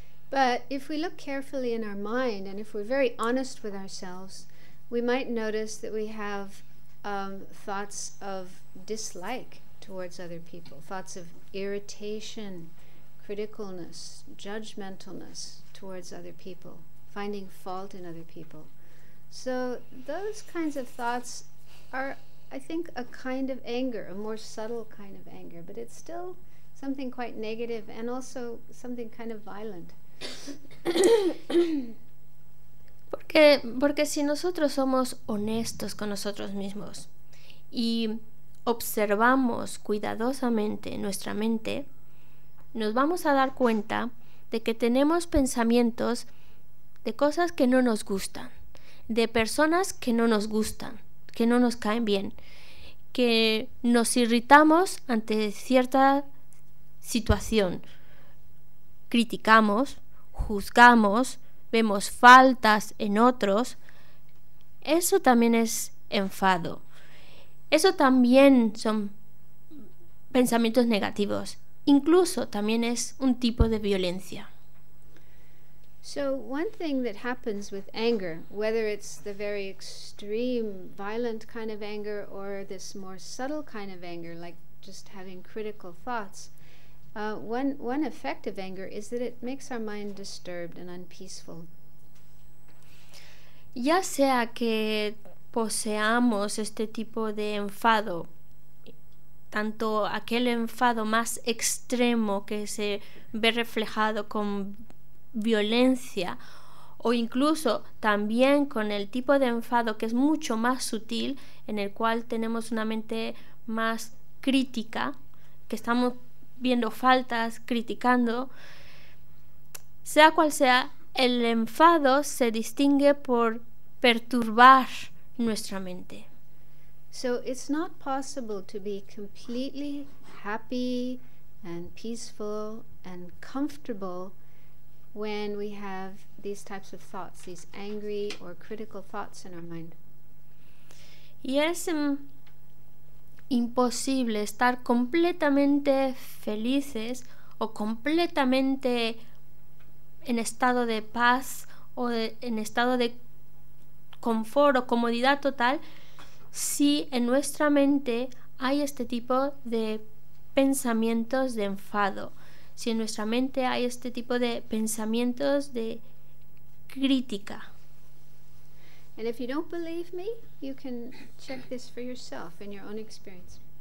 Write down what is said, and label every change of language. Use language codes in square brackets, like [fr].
[en] But if we look carefully in our mind and if we're very honest with ourselves, we might notice that we have thoughts of dislike towards other people, thoughts of irritation, criticalness, judgmentalness towards other people, finding fault in other people. So those kinds of thoughts are, I think, a kind of anger, a more subtle kind of anger, but it's still something quite negative and also something kind of violent. [es] Porque si nosotros somos honestos con nosotros mismos y observamos cuidadosamente nuestra mente, nos vamos a dar cuenta de que tenemos pensamientos de cosas que no nos gustan, de personas que no nos gustan, que no nos caen bien, que nos irritamos ante cierta situación, criticamos, juzgamos, vemos faltas en otros. Eso también es enfado. Eso también son pensamientos negativos. Incluso también es un tipo de violencia. [en] So one thing that happens with anger, whether it's the very extreme violent kind of anger or this more subtle kind of anger, like just having critical thoughts, one effect of anger is that it makes our mind disturbed and unpeaceful. [es] Ya sea que poseamos este tipo de enfado, tanto aquel enfado más extremo que se ve reflejado con violencia, o incluso también con el tipo de enfado que es mucho más sutil, en el cual tenemos una mente más crítica, que estamos viendo faltas, criticando. Sea cual sea, el enfado se distingue por perturbar nuestra mente. [en] So it's not possible to be completely happy and peaceful and comfortable when we have these types of thoughts, these angry or critical thoughts in our mind. Yes. [es] Imposible estar completamente felices o completamente en estado de paz o en estado de confort o comodidad total si en nuestra mente hay este tipo de pensamientos de enfado, si en nuestra mente hay este tipo de pensamientos de crítica. [en] And if you don't believe me, you can check this for yourself in your own experience.